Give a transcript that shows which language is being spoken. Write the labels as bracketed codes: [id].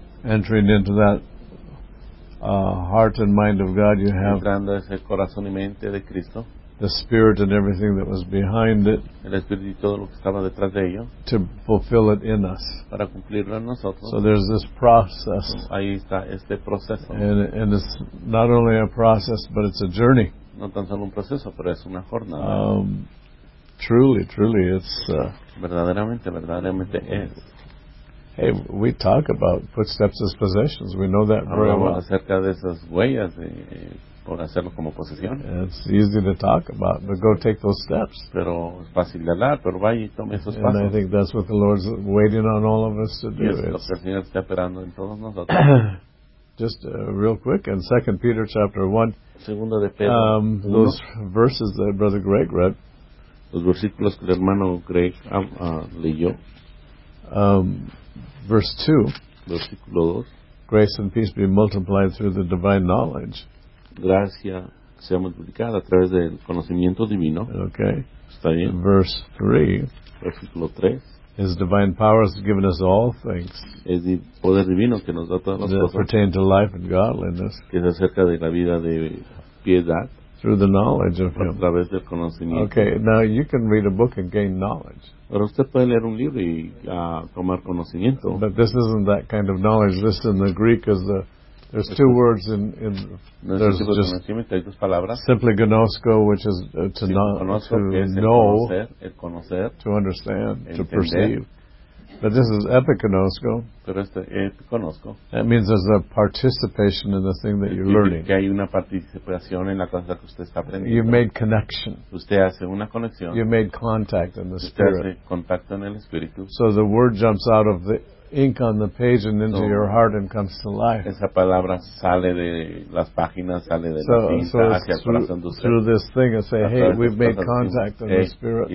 [en] entering into that heart and mind of God you have, [es] entrando ese corazón y mente de Cristo, [en] the spirit and everything that was behind it, [es] el espíritu y todo lo que estaba detrás de ello, [en] to fulfill it in us, [es] para cumplirlo en nosotros. [en] So there's this process, [es] ahí está este proceso, [en] and it's not only a process but it's a journey. [es] No tan solo un proceso, pero es una jornada. [en] Truly, it's [es] verdaderamente es. [en] Hey, we talk about footsteps as possessions. We know that very well. [es] Acerca de esas huellas de, por hacerlo como posesión. [en] It's easy to talk about, but go take those steps. [es] Pero es fácil de hablar, pero vaya y tome esos pasos. [en] And I think that's what the Lord's waiting on all of us to do. [es] Y es lo que el Señor está esperando en todos nosotros. [en] Just real quick, in 2 Peter chapter 1, [es] Segundo de Pedro, [en] those verses that Brother Greg read, [es] los versículos que el hermano Greg leyó, [en] verse 2, [es] versículo 2, [en] grace and peace be multiplied through the divine knowledge. [es] Gracia sea multiplicada a través del conocimiento divino. [en] Okay. [es] Está bien. [en] Verse 3, [es] versículo 3. [en] His divine power has given us all things that pertain to life and godliness, [es] que es acerca de la vida de piedad, [en] through the knowledge of him. [es] A través del conocimiento. [en] Okay, now you can read a book and gain knowledge. [es] Pero usted puede leer un libro y, tomar conocimiento. [en] But this isn't that kind of knowledge. This in the Greek is the there's two words in [es] no [en] there's [es] just hay dos palabras. [en] Simply gnosko, which is to, [es] si, [en] not, [es] conosco, [en] to [es] es [en] know, [es] el conocer, [en] to understand, [es] entender, [en] to perceive. But this is epignosko. [es] Pero este epignosko. [en] That means there's a participation in the thing that you're learning. [es] Que hay una participación en la cosa que usted está aprendiendo. [en] You made connection. [es] Usted hace una conexión. [en] You made contact in the [es] usted [en] spirit. [es] Hace contacto en el espíritu. [en] So the word jumps out of the ink on the page and into your heart and comes to life. [es] Esa palabra sale de las páginas, sale de la tinta hacia el corazón de usted. [en] Through this thing and say, hey, we've made contact in the spirit.